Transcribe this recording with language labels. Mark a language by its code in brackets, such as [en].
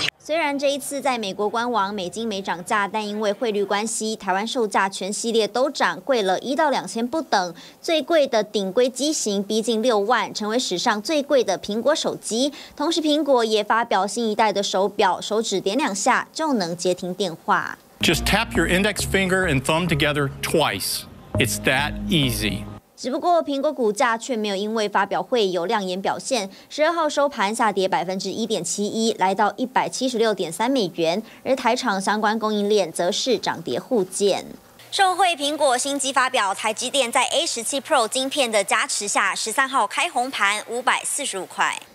[zh] 虽然这一次在美国官网美金没涨价，但因为汇率关系，台湾售价全系列都涨，贵了1到2000不等。最贵的顶规机型逼近60000，成为史上最贵的苹果手机。同时，苹果也发表新一代的手表，手指点两下就能接听电话。 [en] Just tap your index finger and thumb together twice. It's that easy. [zh] 只不过苹果股价却没有因为发表会有亮眼表现，12号收盘下跌1.71%，来到176.3美元，而台厂相关供应链则是涨跌互见。受惠苹果新机发表，台积电在 A17 Pro 晶片的加持下，13号开红盘545块。